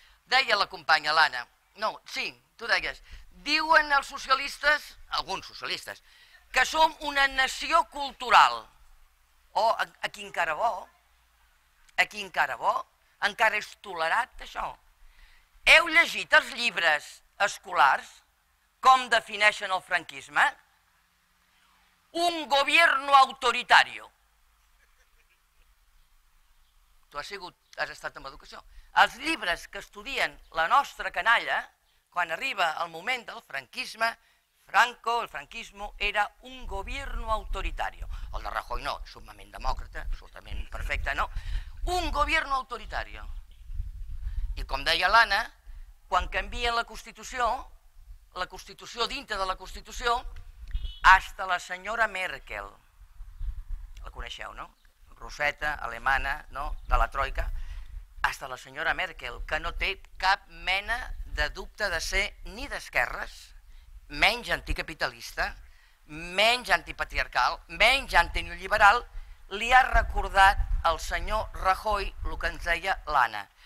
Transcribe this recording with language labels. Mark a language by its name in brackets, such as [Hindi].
[Catalan] Deia la companya l'Anna, no, sí, tu deies, diuen els socialistes, alguns socialistes, que som una nació cultural. Oh, aquí encara bo, aquí encara bo, encara és tolerat això. Heu llegit els llibres escolars com defineixen el franquisme? [Spanish] Un gobierno autoritario. [Catalan] Tu has estat en educació. Els llibres que estudien la nostra canalla, quan arriba el moment del franquisme, Franco, [Spanish] el franquismo, era un gobierno autoritario. [Catalan] El de Rajoy no, summament demòcrata, absolutament perfecte, no. [Spanish] Un gobierno autoritario. [Catalan] I com deia l'Anna, quan canvien la Constitució dintre de la Constitució, hasta la senyora Merkel, la coneixeu, no? Roseta, alemana, no? De la Troika. Hasta la senyora Merkel, que no té cap mena de dubte de ser ni d'esquerres, menys anticapitalista, menys antipatriarcal, menys antineoliberal, li ha recordat al senyor Rajoy el que ens deia l'Anna.